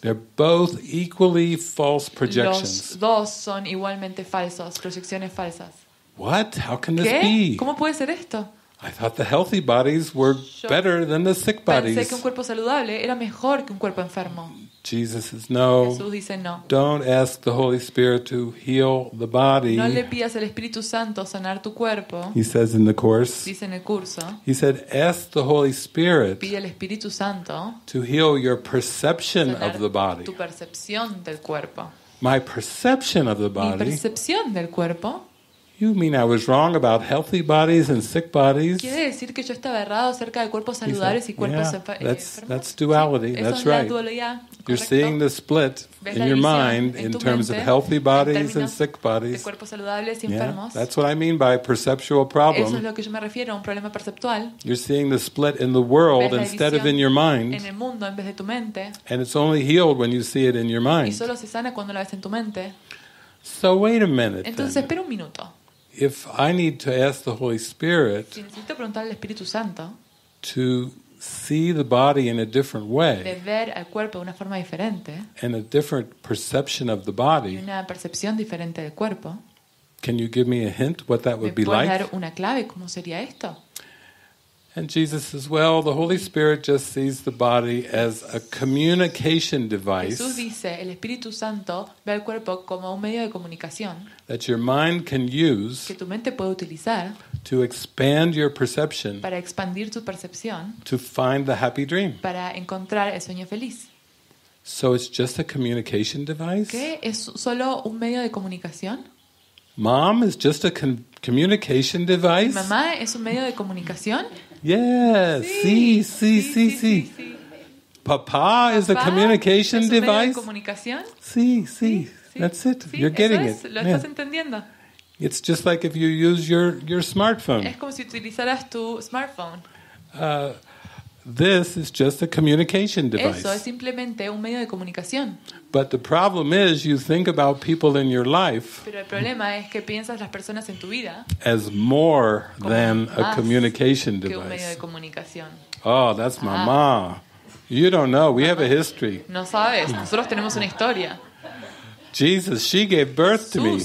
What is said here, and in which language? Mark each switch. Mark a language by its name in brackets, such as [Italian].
[English] They're both equally false projections. [Spanish] Los dos son igualmente falsos, proyecciones falsas. [English] What? How can [Spanish] ¿qué? [English] This be? [Spanish] ¿Cómo puede ser esto? [English] I thought the healthy bodies were [Spanish] yo [English] better than the sick bodies. [Spanish] Pensé que un cuerpo saludable era mejor que un cuerpo enfermo. [English] Jesus says no. [Spanish] Jesús dice no. [English] Don't ask the Holy Spirit to heal the body. [Spanish] No le pidas al Espíritu Santo sanar tu cuerpo. [English] He says in the course. [Spanish] Dice en el curso. [English] He said ask the Holy Spirit. [Spanish] Pide al Espíritu Santo. [English] To heal your perception of the body. [Spanish] Tu percepción del cuerpo. [English] My perception of the body. [Spanish] Mi percepción del cuerpo. [English] You mean I was wrong about healthy bodies and sick bodies? [Spanish] ¿Quiere decir que yo estaba errado acerca de cuerpos saludables y cuerpos enfermos? [English] That's duality. [Spanish] Sí, [English] that's right. [Spanish] Correcto. [English] You're seeing the split in your mind in terms of healthy bodies and sick bodies. [Spanish] De cuerpos saludables y enfermos. [English] Yeah, that's what I mean by perceptual problem. [Spanish] Eso es lo que yo me refiero, un problema perceptual. [English] You're seeing the split in the world instead of in your mind. [Spanish] En el mundo en vez de tu mente. [English] And it's only healed when you see it in your mind. [Spanish] Y solo se sana cuando lo ves en tu mente. [English] So wait a minute. [Spanish] Entonces [English] then. [Spanish] Espera un minuto. [English] If I need to ask the Holy Spirit, [Spanish] si necesito preguntar al Espíritu Santo, [English] to see the body in a different way, [Spanish] de ver al cuerpo de una forma diferente, [English] and a different perception of the body, [Spanish] y una percepción diferente del cuerpo, [English] can you give me a hint what that would be like? [Spanish] ¿Me puedes dar una clave cómo sería esto? [English] And Jesus says, "Well, the Holy Spirit just sees the body as a communication device." [Spanish] Jesús dice, el Espíritu Santo ve al cuerpo como un medio de comunicación. [English] That your mind can use. [Spanish] Que tu mente puede utilizar. [English] To expand your perception. [Spanish] Para expandir tu percepción. [English] To find the happy dream. [Spanish] Para encontrar el sueño feliz. [English] So it's just a communication device. [Spanish] ¿Qué es solo un medio de comunicación? [English] Mom is just a communication device. [Spanish] Mamá es un medio de comunicación. [English] Yes, [Spanish] sí. [English] Papá is a communication device. [Spanish] ¿Es un medio de comunicación? Sí. [English] That's it. [Spanish] Sí, [English] you're getting [Spanish] es. [English] It. [Spanish] Lo estás entendiendo. [English] It's just like if you use your smartphone. [Spanish] Es como si utilizaras tu smartphone. [English] This is just a communication device. [Spanish] Eso es simplemente un medio de comunicación. [English] But the problem is you think about people in your life. [Spanish] Pero el problema es que piensas las personas en tu vida. [English] As more than a communication device. [Spanish] Como un medio de comunicación. [English] Oh, that's mamá. You don't know. We have a history. [Spanish] No sabes. Nosotros tenemos una historia. [English] Jesus, she gave birth to me.